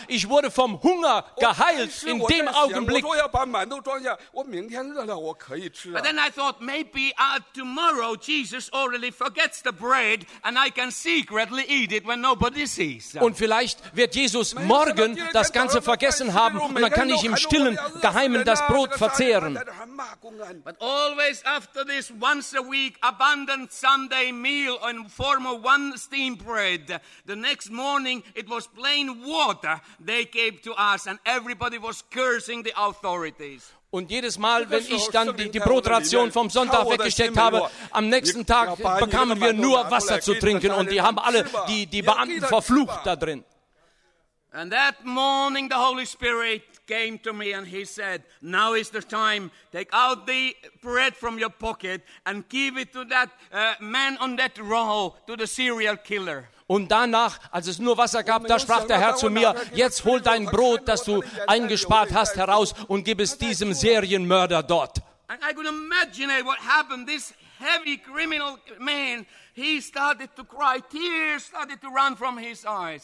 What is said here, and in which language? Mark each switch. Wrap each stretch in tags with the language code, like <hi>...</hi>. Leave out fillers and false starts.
<de>Ich wurde vom Hunger geheilt in dem Augenblick.</de> <en>But then I thought, maybe tomorrow Jesus already forgets the bread and I can secretly eat it when nobody sees.</en> <de>Und vielleicht wird Jesus morgen das Ganze vergessen haben und dann kann ich im Stillen, Geheimen das Brot verzehren.</de> <en>But always after this once a week abundant Sunday meal in form of one steamed bread, the next morning it was plain water they gave to us and everybody was cursing the authorities.</en> <de>Und jedes Mal, wenn ich dann die Brotration vom Sonntag weggesteckt habe, am nächsten Tag bekamen wir nur Wasser zu trinken und die haben alle die Beamten verflucht da drin.</de> <en>And that morning the Holy Spirit came to me and he said, now is the time, take out the bread from your pocket and give it to that man on that row, to the serial killer.</en> <de>Und danach, als es nur Wasser gab, da sprach der Herr zu mir, jetzt hol dein Brot, das du eingespart hast, heraus und gib es diesem Serienmörder dort.</de> <en>And I could imagine what happened. This heavy criminal man, he started to cry, tears started to run from his eyes.</en>